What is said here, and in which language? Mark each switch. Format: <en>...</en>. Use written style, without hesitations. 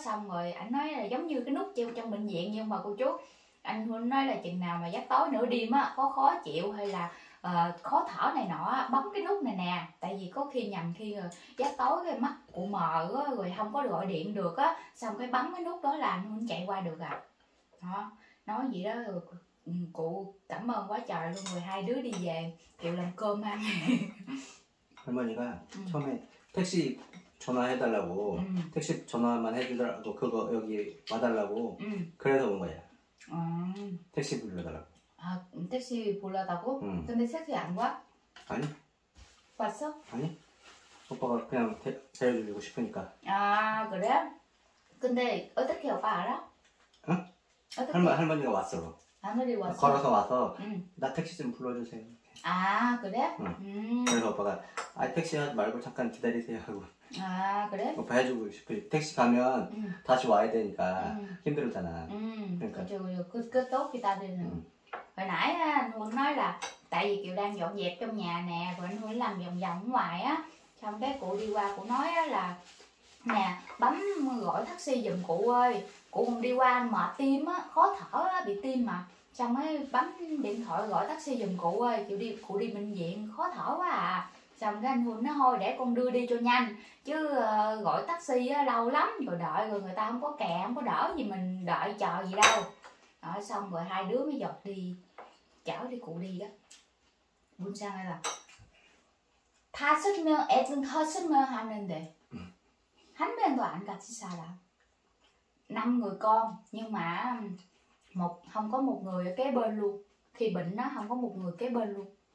<vi>Xong rồi ảnh nói là giống như cái nút treo trong bệnh viện, nhưng mà cô chú anh Hôn nói là chừng nào mà giấc tối nửa đêm á có khó chịu hay là khó thở này nọ á, bấm cái nút này nè, tại vì có khi nhầm khi giấc tối cái mắt cụ mờ á, rồi không có gọi điện được á, xong cái bấm cái nút đó là anh Hôn chạy qua được à. Đó, nói gì đó cụ cảm ơn quá trời luôn. Rồi hai đứa đi về Kiều làm cơm ăn. Cảm ơn nha. Hôm nay</vi> <ko>taxi 전화해달라고 택시 전화만 해주더라도 그거 여기 와달라고 그래서 온 거야. 택시 불러달라고. 아 택시 불러달라고? 근데 택시 안 와? 아니. 왔어? 아니. 오빠가 그냥 데려주고 싶으니까. 아 그래? 근데 어떻게 오빠 알아? 응? 할머니가 왔어. 할머니 왔어. 걸어서 와서 나 택시 좀 불러주세요. 아 그래? 응. 그래서 오빠가 아 택시 말고 잠깐 기다리세요 하고. 아 그래? 오빠 해주고 싶어. 택시 가면 다시 와야 되니까 힘들잖아. 그러니까. 그때 또 기다리는. 왜 나야? 오늘</ko> <vi>nói là tại vì Kiều đang dọn dẹp trong nhà nè, rồi anh Huy làm vòng vòng ngoài á, xong cái cụ đi qua cụ nói là nè bấm gọi taxi giùm cụ ơi, cụ không đi qua mệt tim á, khó thở á, bị tim mà. Xong mới bấm điện thoại gọi taxi giùm cụ ơi, cụ đi bệnh viện khó thở quá à. Xong cái anh Huân nói thôi để con đưa đi cho nhanh, chứ gọi taxi lâu lắm rồi đợi, rồi người ta không có kẹ, không có đỡ gì mình đợi chờ gì đâu. Đó, xong rồi hai đứa mới dọt đi chở đi cụ đi đó. Bún sang hay là</vi> <ko>5명 애들 5명 하는데 한 명도 안 같이 살아.</ko> <vi>5người con nhưng mà một không có một người kế bên luôn. Khi bệnh nó không có một người kế bên luôn.</vi>